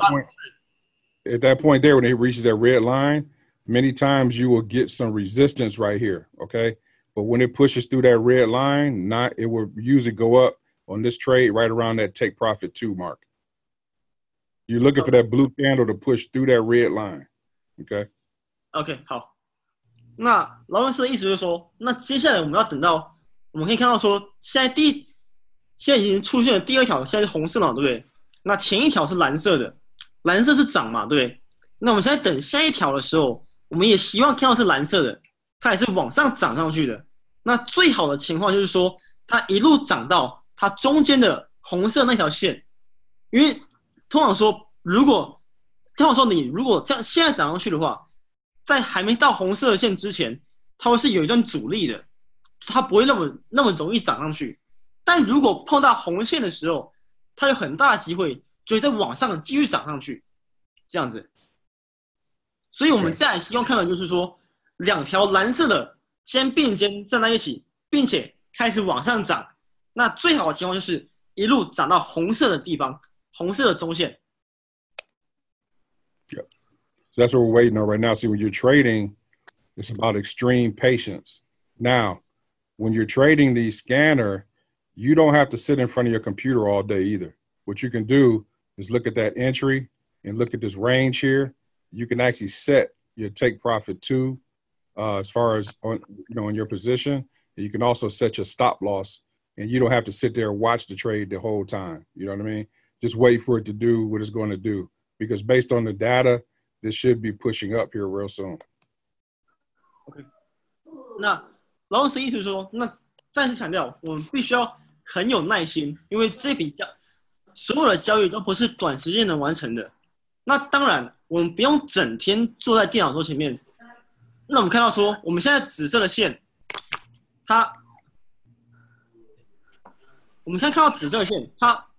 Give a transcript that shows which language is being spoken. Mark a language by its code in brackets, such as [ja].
[en] That point, at that point there, when it reaches that red line, many times you will get some resistance right here, okay? But when it pushes through that red line, not it will usually go up on this trade right around that take profit two mark. You're looking okay. for that blue candle to push through that red line, okay? Okay, 好。 [zh] 那劳伦斯的意思就是说，那接下来我们要等到，我们可以看到说，现在已经出现了第二条，现在是红色嘛，对不对？那前一条是蓝色的，蓝色是涨嘛，对不对？那我们现在等下一条的时候，我们也希望看到是蓝色的，它也是往上涨上去的。那最好的情况就是说，它一路涨到它中间的红色那条线，因为通常说，如果这样现在涨上去的话，在还没到红色的线之前，它会是有一段阻力的，它不会那么容易涨上去。但如果碰到红线的时候，它有很大的机会就会在往上继续涨上去，这样子。所以我们现在希望看到就是说，两条蓝色的先并肩站在一起，并且开始往上涨。那最好的情况就是一路涨到红色的地方。红色的中线。 [en] Yep. So that's what we're waiting on right now. See, when you're trading, it's about extreme patience. Now, when you're trading the scanner, you don't have to sit in front of your computer all day either. What you can do is look at that entry and look at this range here. You can actually set your take profit too, as far as on your position. And you can also set your stop loss, and you don't have to sit there and watch the trade the whole time. You know what I mean? Just wait for it to do what it's going to do. Because based on the data, this should be pushing up here real soon. Okay. [zh] 那老师意思是说，那再次强调，我们必须要很有耐心，因为这笔交所有的交易都不是短时间能完成的。那当然，我们不用整天坐在电脑桌前面。那我们看到说，我们现在紫色的线，它，我们现在看到紫色的线，它。